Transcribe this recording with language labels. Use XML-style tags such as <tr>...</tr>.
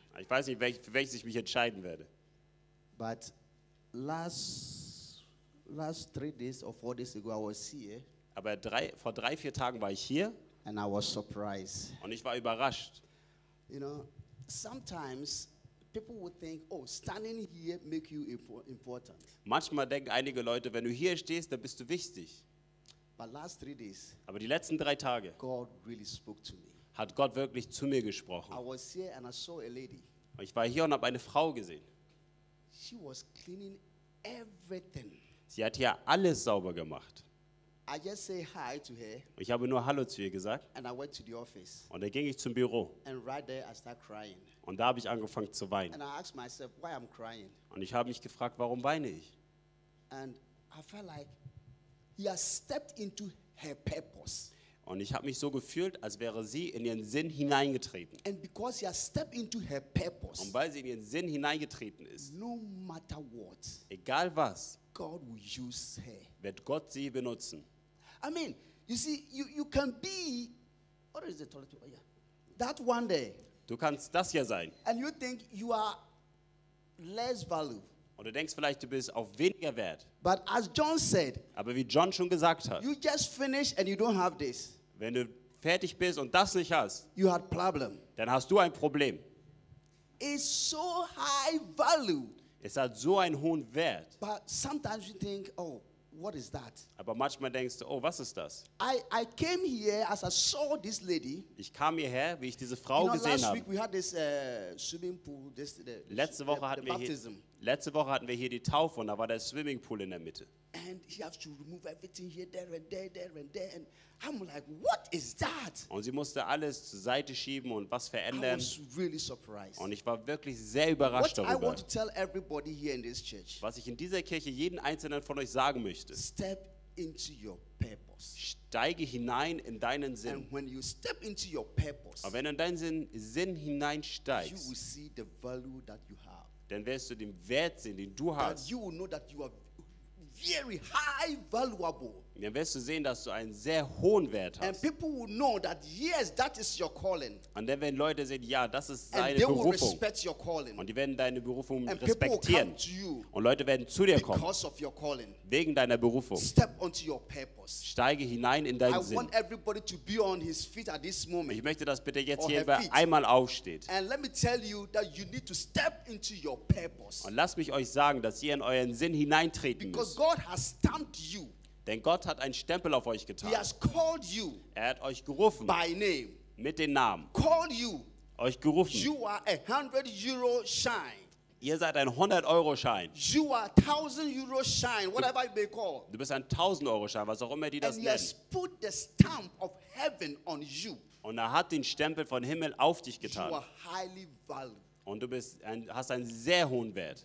<de>Ich weiß nicht, für welches ich mich entscheiden werde.</de> <en>But last 3 days or 4 days ago I was here.</en> <de>Aber vor drei, vier Tagen war ich hier.</de> <en>And I was surprised.</en> <de>Und ich war überrascht.</de> <en>You know, sometimes people would think, oh, standing here make you important.</en> <de>Manchmal denken einige Leute, wenn du hier stehst, dann bist du wichtig.</de> <en>But last 3 days.</en> <de>Aber die letzten 3 Tage.</de> <en>God really spoke to me.</en> <de>Hat Gott wirklich zu mir gesprochen.</de> <en>I was here and I saw a lady.</en> <de>Ich war hier und habe eine Frau gesehen.</de> <en>She was cleaning everything.</en> <de>Sie hat hier alles sauber gemacht.</de> <en>I just say hi to her.</en> <de>Ich habe nur Hallo zu ihr gesagt.</de> <en>And I went to the office.</en> <de>Und dann ging ich zum Büro.</de> <en>And right there I start crying.</en> <de>Und da habe ich angefangen zu weinen.</de> <en>And I asked myself, why I'm crying.</en> <de>Und ich habe mich gefragt, warum weine ich?</de> <en>And I felt like he has stepped into her purpose.</en> <de>Und ich habe mich so gefühlt, als wäre sie in ihren Sinn hineingetreten.</de> <en>And because he has stepped into her purpose,</en> <de>und weil sie in ihren Sinn hineingetreten ist,</de> <en>no matter what,</en> <de>egal was,</de> <en>God will use her.</en> <de>Wird Gott sie benutzen.</de> <en>I mean, you see, you can be, what is the toilet? Oh, yeah. That one day.</en> <de>Du kannst das hier sein.</de> <en>And you think you are less value.</en> <de>Und du denkst vielleicht, du bist auf weniger wert.</de> <en>But as John said,</en> <de>aber wie John schon gesagt hat,</de> <en>you just finish and you don't have this.</en> <de>Wenn du fertig bist und das nicht hast,</de> <en>you had problem.</en> <de>Dann hast du ein Problem.</de> <en>It's so high value.</en> <de>Es hat so einen hohen Wert.</de> <en>But sometimes you think, oh, what is that?</en> <de>Aber manchmal denkst du, oh, was ist das?</de> <en>I came here as I saw this lady.</en> <de>Ich kam hierher, wie ich diese Frau gesehen habe.</de> <en>Last week we had this swimming pool.</en> <de>Letzte Woche hatten wir hier die Taufe und da war der Swimmingpool in der Mitte.</de> <en>And he has to remove everything here, there and there. And I'm like, what is that?</en> <de>Und sie musste alles zur Seite schieben und was verändern.</de> <en>I was really surprised.</en> <de>Und ich war wirklich sehr überrascht</de> <en>what</en> <de>darüber.</de> <en>I want to tell everybody here in this church,</en> <de>was ich in dieser Kirche jeden einzelnen von euch sagen möchte.</de> <en>Step into your purpose.</en> <de>Steige hinein in deinen Sinn.</de> <en>And when you step into your purpose,</en> <de>und wenn du in deinen Sinn hineinsteigst,</de> <en>you will see the value that you have.</en> <de>Dann wirst du den Wert sehen, den du hast.</de> <en>You will know that you are very high valuable.</en> <de>Dann wirst du sehen, dass du einen sehr hohen Wert hast.</de> <en>And people will know that yes, that is your calling.</en> <de>Und dann werden Leute sehen, ja, das ist</de> <en>and</en> <de>deine</de> <en>they</en> <de>Berufung.</de> <en>Will respect your calling.</en> <de>Und die werden deine Berufung</de> <en>and</en> <de>respektieren.</de> <en>People will come to you</en> <de>und Leute werden zu dir kommen.</de> <en>Because of your calling.</en> <de>Wegen deiner Berufung.</de> <en>Step onto your purpose.</en> <de>Steige hinein in deinen</de> <en>I</en> <de>Sinn.</de> <en>Want everybody to be on his feet at this moment.</en> <de>Ich möchte, dass bitte jetzt hier jeder einmal aufsteht.</de> <en>And let me tell you that you need to step into your purpose.</en> <de>Und lasst mich euch sagen, dass ihr in euren Sinn hineintreten</de> <en>because God has stamped you.</en> <de>Denn Gott hat einen Stempel auf euch getan.</de> <en>He has called you.</en> <de>Er hat euch gerufen.</de> <en>By name.</en> <de>Mit dem Namen.</de> <en>Called you.</en> <de>Euch gerufen.</de> <en>You are a 100 euro shine.</en> <de>Ihr seid ein 100 euro Schein.</de> <en>You are 1000 euro shine, whatever you may call.</en> <de>Du bist ein 1000 euro Schein, was auch immer die das</de> <en>and</en> <de>nennen.</de> <en>He has put the stamp of heaven on you.</en> <de>Und er hat den Stempel von Himmel auf dich getan.</de> <en>You are highly valued.</en> <de>Und du bist ein, hast einen sehr hohen Wert.</de>